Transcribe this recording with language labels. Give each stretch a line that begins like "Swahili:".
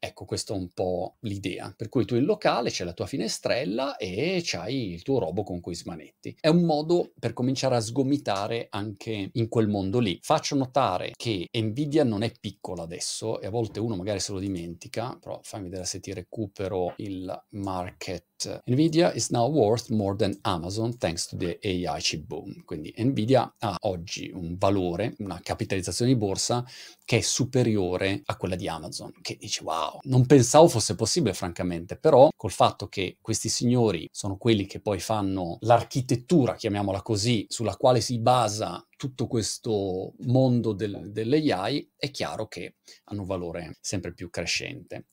Italian: Ecco, questo è un po' l'idea. Per cui tu in locale c'è la tua finestrella e c'hai il tuo robot con cui smanetti. È un modo per cominciare a sgomitare anche in quel mondo lì. Faccio notare che Nvidia non è piccola adesso, e a volte uno magari se lo dimentica, però fammi vedere se ti recupero il market.
English: Nvidia is now worth more than Amazon thanks to the AI chip boom.
Italian: Quindi Nvidia ha oggi un valore, una capitalizzazione di borsa che è superiore a quella di Amazon, che dice wow, non pensavo fosse possibile francamente, però col fatto che questi signori sono quelli che poi fanno l'architettura, chiamiamola così, sulla quale si basa tutto questo mondo dell'AI, è chiaro che hanno un valore sempre più crescente.